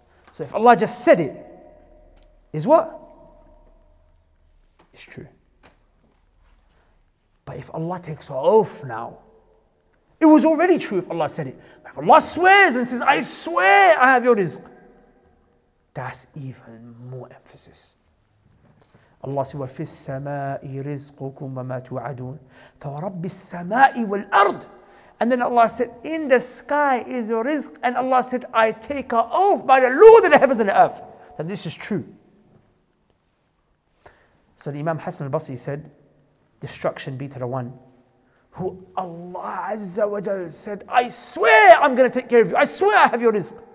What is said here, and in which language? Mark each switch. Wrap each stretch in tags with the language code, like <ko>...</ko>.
<en>So if Allah just said it, is what? It's true. But if Allah takes an oath now, it was already true if Allah said it. But if Allah swears and says, I swear I have your rizq, that's even more emphasis. Allah says,</en> <ar>وَفِي السَّمَاءِ رِزْقُكُمْ وَمَا تُوَعَدُونَ فَوَرَبِّ السَّمَاءِ وَالْأَرْضِ.</ar> <en>And then Allah said, in the sky is your rizq. And Allah said, I take an oath by the Lord of the heavens and the earth that this is true. So the Imam Hassan al-Basri said, destruction be to the one who Allah Azza wa Jal said, I swear I'm going to take care of you. I swear I have your rizq.</en>